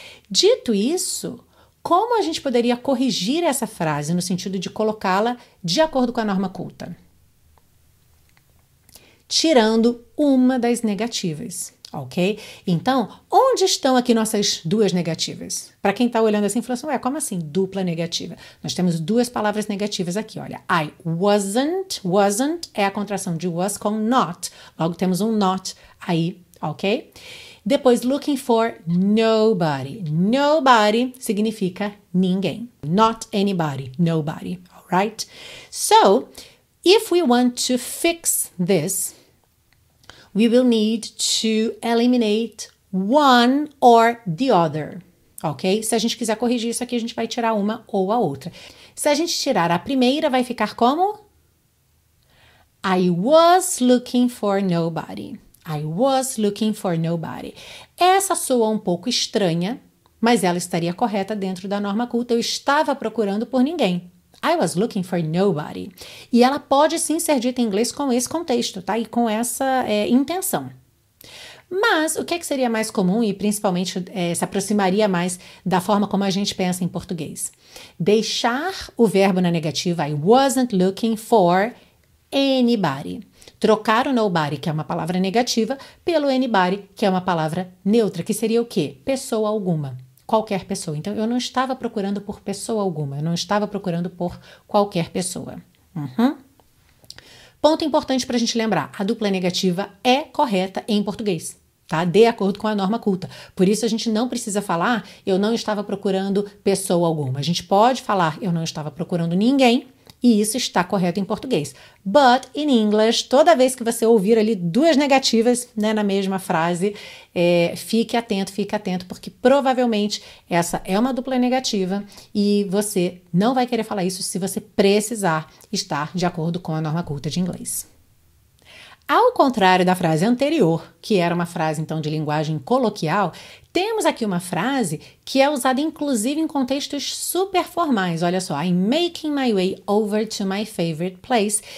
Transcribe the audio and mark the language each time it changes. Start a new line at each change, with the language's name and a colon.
Portuguese: Dito isso, como a gente poderia corrigir essa frase no sentido de colocá-la de acordo com a norma culta? Tirando uma das negativas, ok? Então, onde estão aqui nossas duas negativas? Para quem está olhando assim, falando assim, ué, como assim dupla negativa? Nós temos duas palavras negativas aqui, olha.
English: I wasn't, wasn't
Portuguese: é a contração de was com not. Logo, temos um not aí, ok? Depois,
English: looking for nobody. Nobody
Portuguese: significa ninguém.
English: Not anybody, nobody, all right? So, if we want to fix this, we will need to eliminate one or the other, ok?
Portuguese: Se a gente quiser corrigir isso aqui, a gente vai tirar uma ou a outra. Se a gente tirar a primeira, vai ficar como?
English: I was looking for nobody. I was looking for nobody.
Portuguese: Essa soa um pouco estranha, mas ela estaria correta dentro da norma culta. Eu estava procurando por ninguém.
English: I was looking for nobody.
Portuguese: E ela pode sim ser dita em inglês com esse contexto, tá? E com essa intenção. Mas o que seria mais comum e principalmente se aproximaria mais da forma como a gente pensa em português? Deixar o verbo na negativa,
English: I wasn't looking for anybody.
Portuguese: Trocar o nobody, que é uma palavra negativa, pelo anybody, que é uma palavra neutra, que seria o quê? Pessoa alguma. Qualquer pessoa. Então, eu não estava procurando por pessoa alguma. Eu não estava procurando por qualquer pessoa. Uhum. Ponto importante para a gente lembrar. A dupla negativa é correta em português, tá? De acordo com a norma culta. Por isso, a gente não precisa falar eu não estava procurando pessoa alguma. A gente pode falar eu não estava procurando ninguém. E isso está correto em português.
English: But, in English,
Portuguese: toda vez que você ouvir ali duas negativas, né, na mesma frase, fique atento, porque provavelmente essa é uma dupla negativa e você não vai querer falar isso se você precisar estar de acordo com a norma culta de inglês. Ao contrário da frase anterior, que era uma frase, então, de linguagem coloquial, temos aqui uma frase que é usada, inclusive, em contextos super formais. Olha só,
English: I'm making my way over to my favorite place.